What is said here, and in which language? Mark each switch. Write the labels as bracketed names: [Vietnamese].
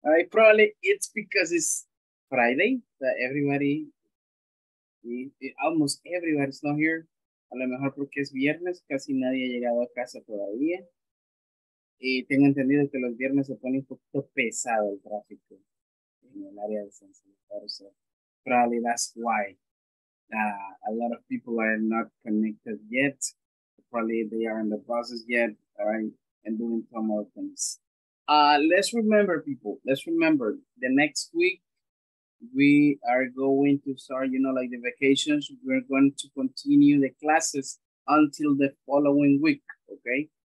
[English] Probably it's because it's Friday that everybody, almost everybody's not here. [Spanish] A lo mejor porque es viernes, casi nadie ha llegado a casa todavía. Y tengo entendido que los viernes se pone un poquito pesado el tráfico en el área de San Salvador. [English] So probably that's why a lot of people are not connected yet. Probably they are in the buses yet, all right, and doing some other things. Let's remember, people, let's remember, the next week, we are going to start, you know, like the vacations, we're going to continue the classes until the following week, okay?